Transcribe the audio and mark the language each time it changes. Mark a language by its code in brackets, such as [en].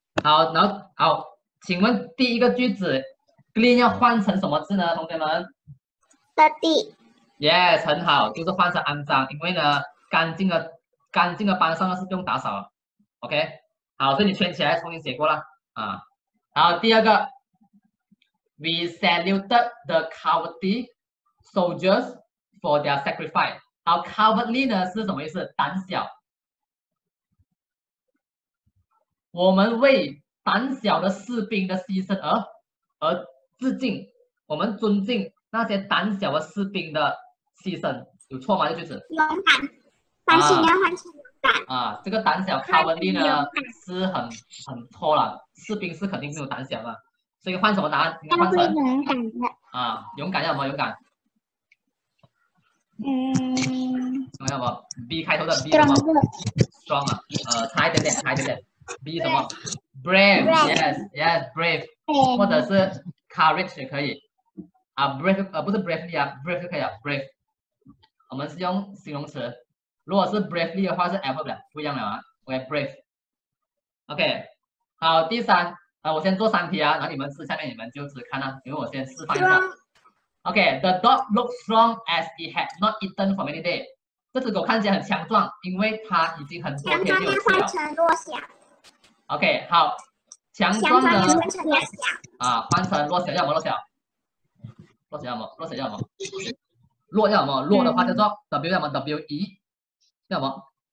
[zh] 好，然后好，请问第一个句子 ，clean 要换成什么字呢？同学们 [en] ，dirty。 [zh] Yes， 很好，就是换成肮脏，因为呢，干净的班上是不用打扫。 OK， 好，所以你圈起来重新写过了啊。好，第二个。 [en] We saluted the cowardly soldiers for their sacrifice. [zh] 好 ，cowardly 呢是什么意思？胆小。我们为胆小的士兵的牺牲而致敬，我们尊敬那些胆小的士兵的牺牲，有错吗？这句子？勇敢，胆小要换成勇敢。啊，这个胆小 cowardly 呢是很错了，士兵是肯定没有胆小的。所以换什么答案？应该换成勇敢的啊！勇敢要什么？勇敢？嗯，勇敢要什么 ？B 开头的 B 什么 [en] ？Strong [zh] 啊，差一点点，差一点点。 B 什么 ？Brave，yes，yes，brave， 或者是 courage 也可以啊。 Brave 不是 bravely 啊 ，brave 就可以了。Brave， 我们是用形容词，如果是 bravely 的话是 adverb， 不一样了啊。 OK，brave。 OK， 好，第三。我先做三题啊，然后你们试，下面你们就只看啊，因为我先示范一下。 [en] OK， the dog looks strong as it had not eaten for many days。 [zh] 这只狗看起来很强壮，因为它已经很多天没有吃了。强壮要换成弱小。 OK， 好，强壮的。强壮要换成弱小。啊，换成弱小要什么？弱小。弱小要什么？弱小要什么？弱要什么？弱的话叫做 W 要什么 ？W E 要什么？